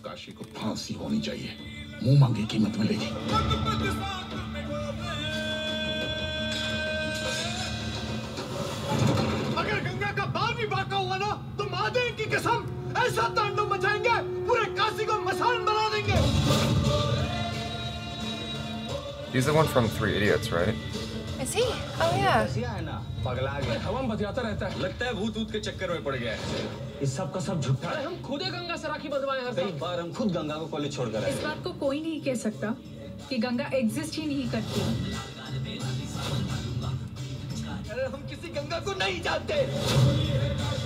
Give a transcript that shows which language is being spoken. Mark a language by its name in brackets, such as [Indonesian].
[Hindi] काशी को फांसी होनी चाहिए मुंह मांगे कीमत मिलेगी अगर गंगा का बाल भी बाका हुआ ना तो महादेव की कसम ऐसा तांडव मचाएंगे पूरे काशी को मशान बना देंगे [English] He's the one from Three Idiots, right? Is he? Oh, yeah. [Hindi] पगला गया हवन बदलाता रहता है लगता है भूत के चक्कर में पड़ गया है इस सब का सब झूठा है हम खुद ही गंगा से राखी बदवाए हर कई बार हम खुद गंगा को कॉलेज छोड़ कर आए इस बात को कोई नहीं कह सकता कि गंगा एग्जिस्ट ही नहीं करती अरे हम किसी गंगा को नहीं जानते